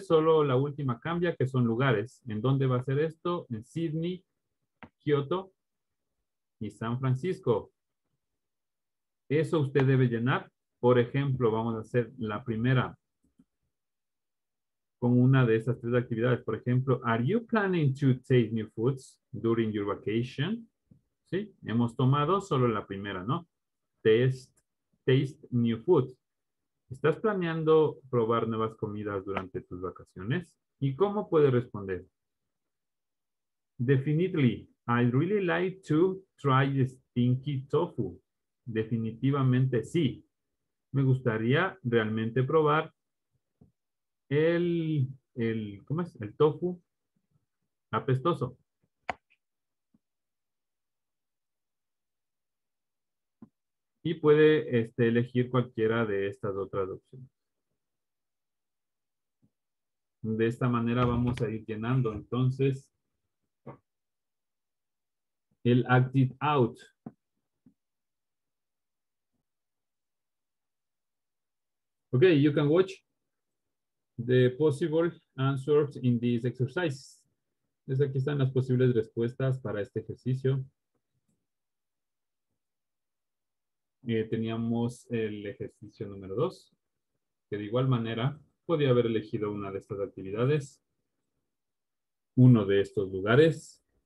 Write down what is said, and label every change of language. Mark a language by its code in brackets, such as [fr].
[es] Solo la última cambia, que son lugares. ¿En dónde va a ser esto? En Sydney, Kyoto y San Francisco. Eso usted debe llenar. Por ejemplo, vamos a hacer la primera con una de esas tres actividades. Por ejemplo, [en] are you planning to taste new foods during your vacation? [es] Sí, hemos tomado solo la primera, ¿no? [en] Taste new foods. [es] ¿Estás planeando probar nuevas comidas durante tus vacaciones? ¿Y cómo puede responder? [en] Definitely, I'd really like to try stinky tofu. [es] Definitivamente sí. Me gustaría realmente probar el tofu apestoso. Y puede elegir cualquiera de estas otras opciones. De esta manera vamos a ir llenando entonces el [en] act it out. Okay, you can watch the possible answers in this exercise. [es] Entonces aquí están las posibles respuestas para este ejercicio. Teníamos el ejercicio número 2, que de igual manera podía haber elegido una de estas actividades, uno de estos lugares.